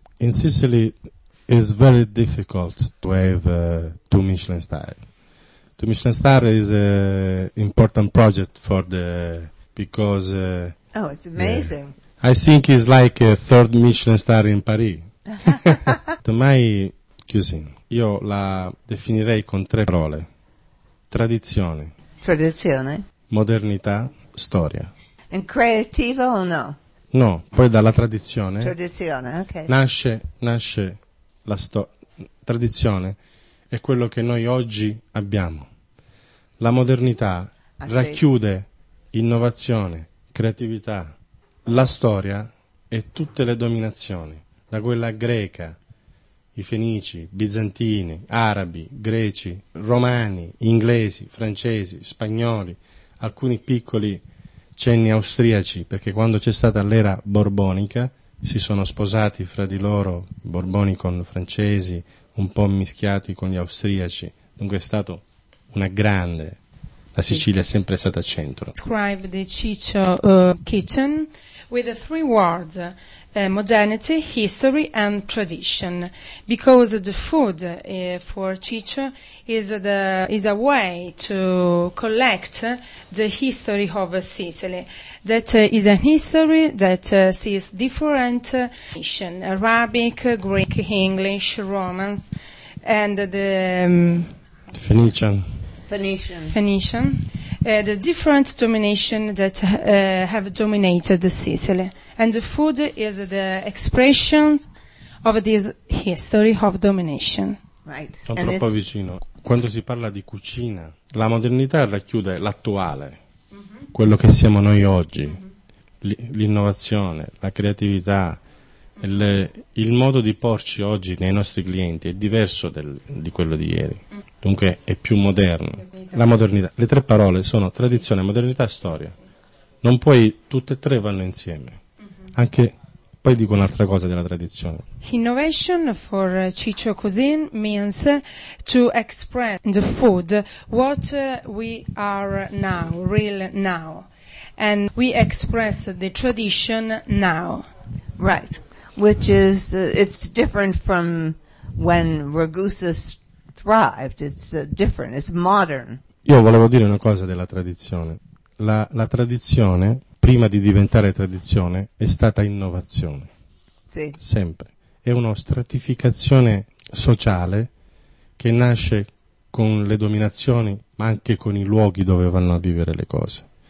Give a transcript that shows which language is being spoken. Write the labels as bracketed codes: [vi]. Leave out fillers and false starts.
[en] In Sicily, it's very difficult to have two Michelin stars. The Michelin star is an important project for the, because... Oh, it's amazing. I think it's like a third Michelin star in Paris. To my cuisine, [it] io la definirei con tre parole. Tradizione. Modernità, storia. And creativo o no? No, poi dalla tradizione. Tradizione, ok. Nasce la storia. Tradizione è quello che noi oggi abbiamo. La modernità racchiude innovazione, creatività, la storia e tutte le dominazioni, da quella greca, i fenici, bizantini, arabi, greci, romani, inglesi, francesi, spagnoli, alcuni piccoli cenni austriaci, perché quando c'è stata l'era borbonica si sono sposati fra di loro borboni con francesi, un po' mischiati con gli austriaci, dunque è stato una grande La Sicilia è sempre stata centro. [en] Describe the Ciccio kitchen with the three words: modernity, history and tradition, because the food for Ciccio is a way to collect the history of Sicily. That is a history that sees different nation: Arabic, Greek, English, Romans, and the Phoenician. The different domination that have dominated Sicily. And the food is the expression of this history of domination. Right. [it] Sono troppo vicino. Quando si parla di cucina, la modernità racchiude l'attuale, quello che siamo noi oggi, l'innovazione, la creatività, il modo di porci oggi nei nostri clienti è diverso di quello di ieri. Dunque è più moderno. La modernità, le tre parole sono tradizione, modernità e storia. Non puoi, tutte e tre vanno insieme. Anche, poi dico un'altra cosa della tradizione. [en] Innovation for Ciccio Cuisine means to express the food what we are now, real now. And we express the tradition now. Right. Which is, it's different from when Ragusa thrived. It's different, it's modern. [it] Io volevo dire una cosa della tradizione. La tradizione, prima di diventare tradizione, è stata innovazione. Sì. Sempre. È una stratificazione sociale che nasce con le dominazioni, ma anche con i luoghi dove vanno a vivere le cose.